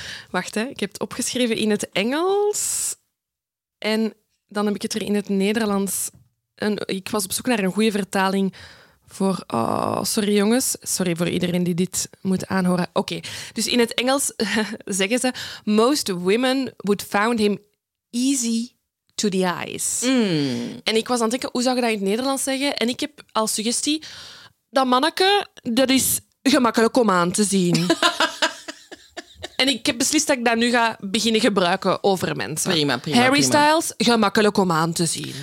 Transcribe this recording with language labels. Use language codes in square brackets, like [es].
[nl] Wacht, hè. Ik heb het opgeschreven in het Engels. En dan heb ik het er in het Nederlands. Ik was op zoek naar een goede vertaling voor... Oh, sorry, jongens. Sorry voor iedereen die dit moet aanhoren. Oké. Dus in het Engels zeggen ze... [en] Most women would found him easy to the eyes. Mm. [nl] En ik was aan het denken, hoe zou je dat in het Nederlands zeggen? En ik heb als suggestie... Dat manneke, dat is gemakkelijk om aan te zien. En ik heb beslist dat ik dat nu ga beginnen gebruiken over mensen. Prima. Harry Styles, gemakkelijk om aan te zien.